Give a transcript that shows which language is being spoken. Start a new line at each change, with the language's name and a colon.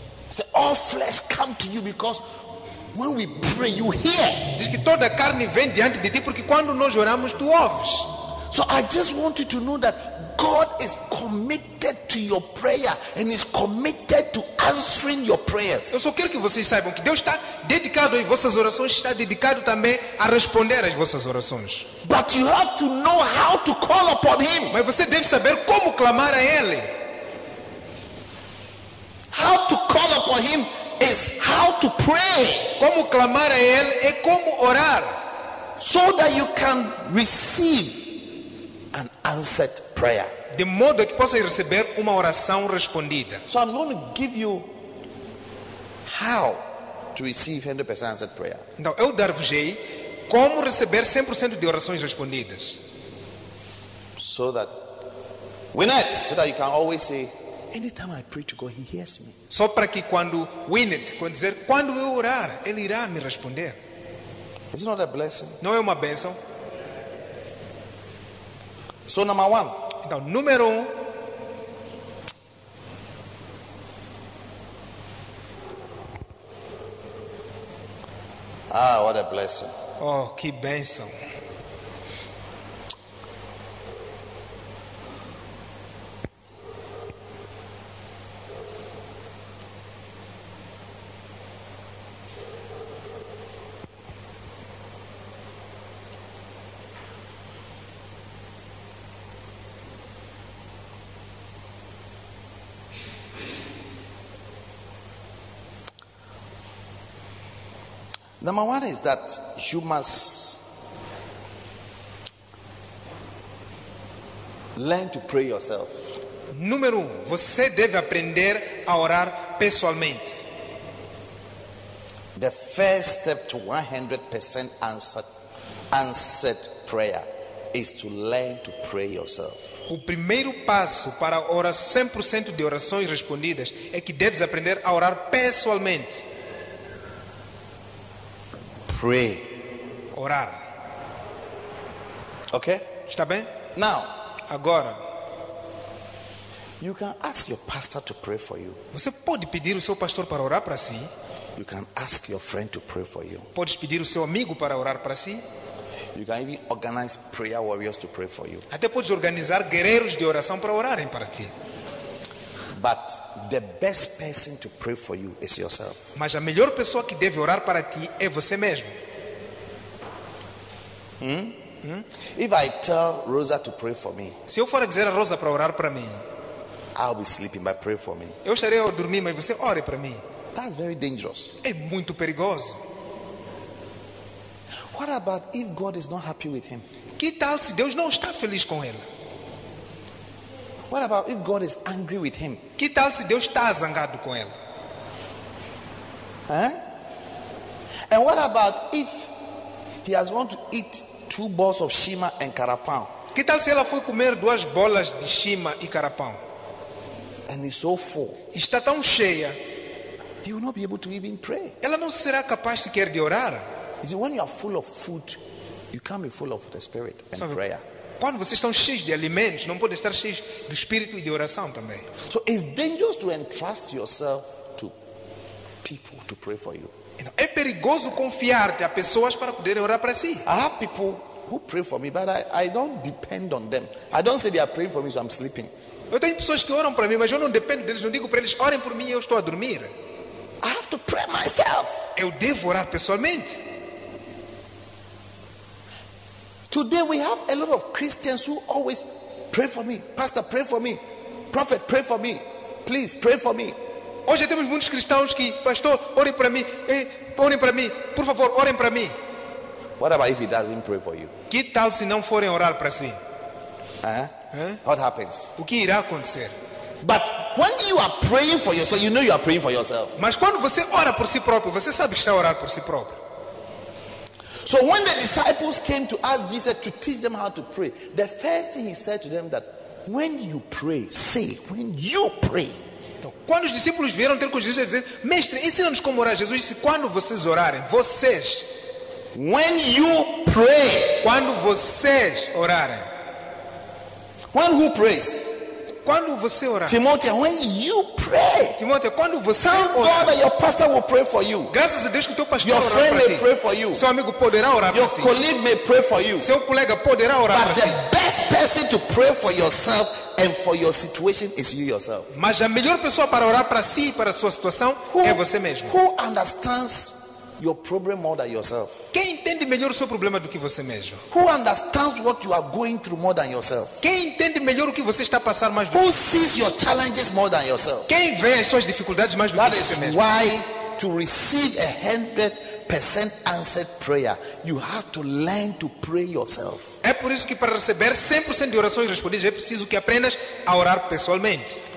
English: Say, all flesh come to you because when we pray, you hear.
Portuguese: Diz que toda a carne vem diante de ti porque quando nós oramos, tu ouves.
English: So I just want you to know that God is committed to your prayer and is committed to answering your prayers.
Portuguese: Eu só quero que vocês saibam que Deus está dedicado às vossas orações, está dedicado também a responder às vossas orações.
English: But you have to know how to call upon him.
Portuguese: Mas você deve saber como clamar a ele.
English: How to call upon him is how to pray.
Portuguese: Como clamar a ele é como orar.
English: So that you can receive an answered prayer.
Portuguese: De modo que possa receber uma oração respondida.
English: So I'm going to give you how to receive 100% answered prayer.
Portuguese: Então eu dar-vos como receber 100% de orações respondidas.
English: So that Winette, so that you can always say, anytime I pray to God, he hears me.
Portuguese: Só para que quando Winette, quando dizer, quando eu orar, ele irá me responder.
English: Is it not a blessing?
Portuguese: Não é uma bênção?
English: So number one.
Portuguese: Então, número um.
English: Ah, what a blessing.
Portuguese: Oh, que bênção.
English: Number one is that you must learn to pray yourself.
Portuguese: Número um, você deve aprender a orar pessoalmente.
English: The first step to 100% answered prayer is to learn to pray yourself.
Portuguese: O primeiro passo para orar 100% de orações respondidas é que deves aprender a orar pessoalmente.
English: Pray.
Portuguese: Orar.
English: Ok?
Portuguese: Está bem?
English: Now,
Portuguese: agora,
English: you can ask your pastor to pray for you.
Portuguese: Você pode pedir o seu pastor para orar para si.
English: You can ask your friend to pray for you.
Portuguese: Pode pedir o seu amigo para orar para si.
English: You can even organize prayer warriors to pray for you.
Portuguese: Até podes organizar guerreiros de oração para orarem para ti.
English: But the best person to pray for you is yourself.
Portuguese: Mas a melhor pessoa que deve orar para ti é você mesmo.
English: If I tell Rosa to pray for me,
Portuguese: se eu for a dizer a Rosa para orar para mim,
English: I'll be sleeping, but pray for me.
Portuguese: Eu estarei a dormir, mas você ore para mim.
English: That's very dangerous.
Portuguese: É muito perigoso.
English: What about if God is not happy with him?
Portuguese: Que tal se Deus não está feliz com ele?
English: What about if God is angry with him?
Portuguese: Que tal se Deus está zangado com ele? Huh?
English: And what about if he has gone to eat two balls of shima and carapau?
Portuguese: Que tal se ela foi comer duas bolas de shima e carapau?
English: And he's so full.
Portuguese: Está tão cheia.
English: He will not be able to even pray.
Portuguese: Ela não será capaz sequer de orar.
English: You see, when you are full of food, you can't be full of the spirit and so, prayer.
Portuguese: Quando vocês estão cheios de alimentos, não podem estar cheios do espírito e de oração também.
English: So it's dangerous to entrust yourself to people to pray for you.
Portuguese: É perigoso confiar-te a pessoas para poder orar para si.
English: I have people who pray for me, but I don't depend on them. I don't say they are praying for me, so I'm sleeping.
Portuguese: Eu tenho pessoas que oram para mim, mas eu não dependo deles. Não digo para eles orem por mim, eu estou a dormir.
English: I have to pray myself.
Portuguese: Eu devo orar pessoalmente.
English: Today we have a lot of Christians who always pray for me. Pastor, pray for me. Prophet, pray for me. Please, pray for me.
Portuguese: Hoje temos muitos cristãos que, pastor, orem para mim. Orem para mim. Por favor, orem para mim.
English: What about if he doesn't pray for you?
Portuguese: Que tal se não forem orar para si?
English: What happens?
Portuguese: O que irá acontecer?
English: But when you are praying for yourself, you know you are praying for yourself.
Portuguese: Mas quando você ora por si próprio, você sabe que está a orar por si próprio.
English: So when the disciples came to ask Jesus to teach them how to pray, the first thing he said to them that when you pray, say, when you pray.
Portuguese: Então, quando os discípulos vieram ter com Jesus e dizer, mestre, ensina-nos como orar. Jesus disse, quando vocês orarem, vocês.
English: When you pray.
Portuguese: Quando vocês orarem.
English: When who prays?
Portuguese: quando você orar,
English: Timothy, when you pray,
Portuguese: Timothy, quando você
English: thank
Portuguese: orar,
English: God that your pastor will pray for you.
Portuguese: Graças a Deus que teu pastor
English: your friend may pray for you.
Portuguese: Seu amigo poderá orar
English: your
Portuguese: para
English: colleague
Portuguese: si.
English: May pray for you.
Portuguese: Seu colega poderá orar
English: but
Portuguese: para
English: the
Portuguese: si.
English: Best person to pray for yourself and for your situation is you yourself.
Portuguese: Mas a melhor pessoa para orar para si e para sua situação
English: who,
Portuguese: é você mesmo.
English: Who understands your problem more than yourself?
Portuguese: Quem entende melhor o seu problema do que você mesmo?
English: Who understands what you are going through more than yourself?
Portuguese: Quem entende melhor o que você está a passar mais do que você?
English: Who sees your challenges more than yourself?
Portuguese: Quem vê as suas dificuldades mais do
English: that
Portuguese: que você mesmo?
English: Why to receive a 100% answered prayer, you have to learn to pray yourself.
Portuguese: É por isso que para receber 100% de orações respondidas, é preciso que aprendas a orar pessoalmente.